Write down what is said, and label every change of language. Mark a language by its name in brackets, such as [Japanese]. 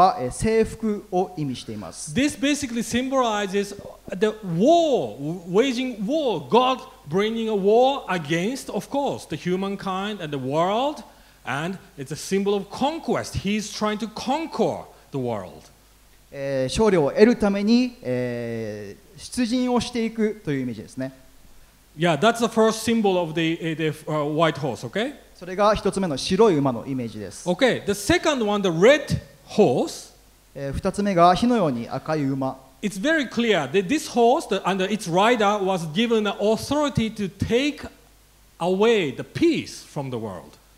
[Japanese] 戦争の中の城だったりとか戦争の中の旗は征服を意味しています。 [English] This basically symbolizes the war, waging war, God bringing a war against, of course, the humankind and the world, and it's a symbol of conquest. He's trying to conquer the world. [Japanese] 勝利を得るために出陣をしていくという意味ですね。 [English] Yeah, that's the first symbol of the white horse, okay? [Japanese] それが1つ目の白い馬のイメージです。 [English] Okay, the second one, the red horse. [Japanese] 2つ目が火のように赤い馬。 [English] It's very clear that this horse and its rider was given the authority to take away the peace from the world.